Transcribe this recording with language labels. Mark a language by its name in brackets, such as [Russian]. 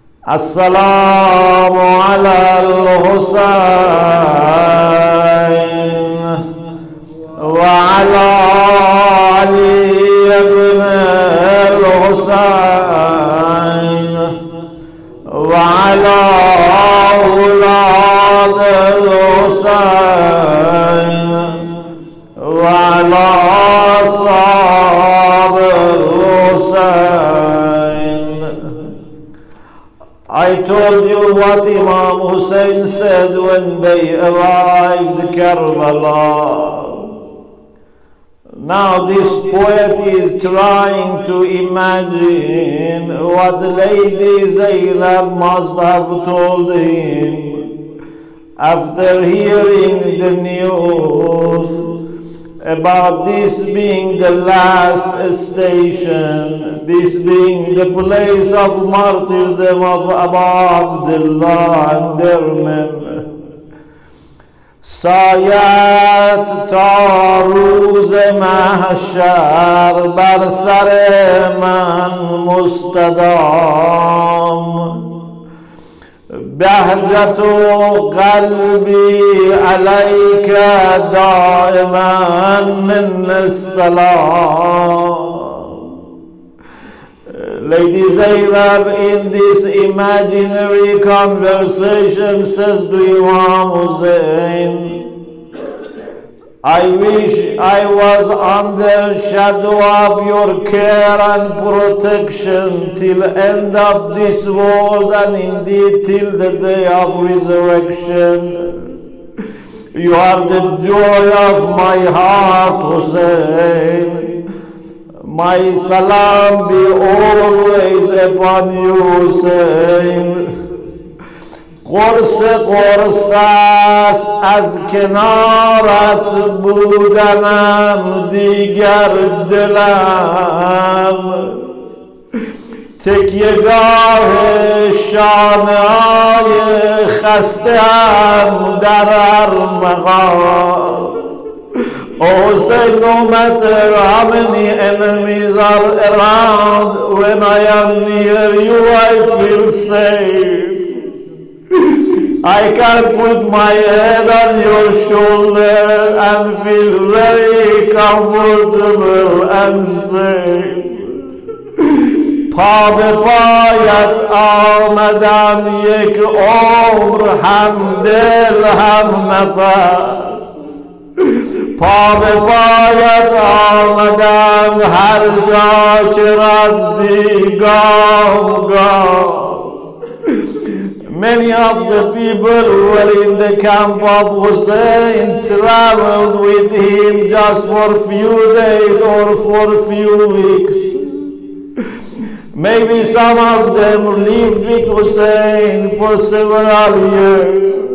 [Arabic] السلام على الحسين وعلى علي بن الحسين وعلى أولاد الحسين وعلى أصحاب الحسين. [English] I told you what Imam Hussein said when they arrived in Karbala. Now this poet is trying to imagine what Lady Zainab must have told him after hearing the news about this being the last station, this being the place of martyrdom of Abu Abdullah and their men. [Persian] سایت تا روز محشر بر سر من مستدام، بهجت و قلبی [Arabic] علیک دائما من السلام. [English] Lady Zainab in this imaginary conversation says to Imam Hussein, I wish I was under shadow of your care and protection till end of this world and indeed till the day of resurrection. You are the joy of my heart, Hussein. My salam be always upon you, Hussein. [Persian] قرص قرص است از کنارت بودنم دیگر دلم، تکیه گاه شانه‌ای خسته‌ام در هر مقام. [English] Oh, say, no matter how many enemies are around, when I am near you, I feel safe. I can put my head on your shoulder and feel very comfortable and safe. [Persian] پا به پایت آمدم یک عمر هم دل هم نفس. پا به پایت آمدم هر جا که رفتی گام گام. [English] Many of the people who were in the camp of Hussein traveled with him just for few days or for few weeks. Maybe some of them lived with Hussein for several years.